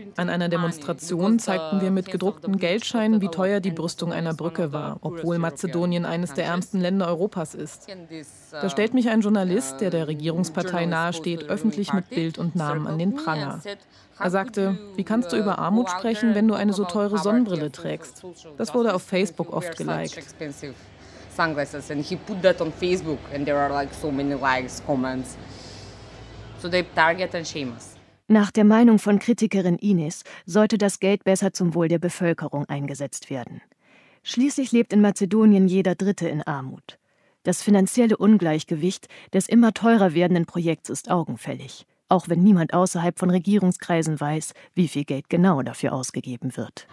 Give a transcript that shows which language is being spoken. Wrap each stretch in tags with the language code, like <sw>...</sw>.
<de>An einer Demonstration zeigten wir mit gedruckten Geldscheinen, wie teuer die Brüstung einer Brücke war, obwohl Mazedonien eines der ärmsten Länder Europas ist. Da stellt mich ein Journalist, der der Regierungspartei nahesteht, öffentlich mit Bild und Namen an den Pranger. Er sagte, wie kannst du über Armut sprechen, wenn du eine so teure Sonnenbrille trägst? Das wurde auf Facebook oft geliked.</de> <en>And he put that on Facebook and there are like so many likes, comments. So they target and shame us.</en> <de>Nach der Meinung von Kritikerin Ines sollte das Geld besser zum Wohl der Bevölkerung eingesetzt werden. Schließlich lebt in Mazedonien jeder Dritte in Armut. Das finanzielle Ungleichgewicht des immer teurer werdenden Projekts ist augenfällig, auch wenn niemand außerhalb von Regierungskreisen weiß, wie viel Geld genau dafür ausgegeben wird.</de>